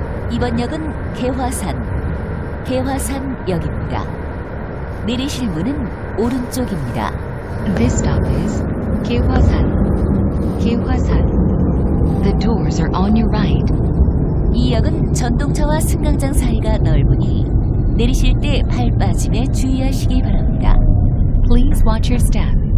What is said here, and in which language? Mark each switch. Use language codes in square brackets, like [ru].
[ko] 이번 역은 개화산, 개화산역입니다. 내리실 문은 오른쪽입니다. [en] This stop is 개화산, 개화산. The doors are on your right. [ko] 이 역은 전동차와 승강장 사이가 넓으니 내리실 때 발 빠짐에 주의하시기 바랍니다. [en] Please watch your step.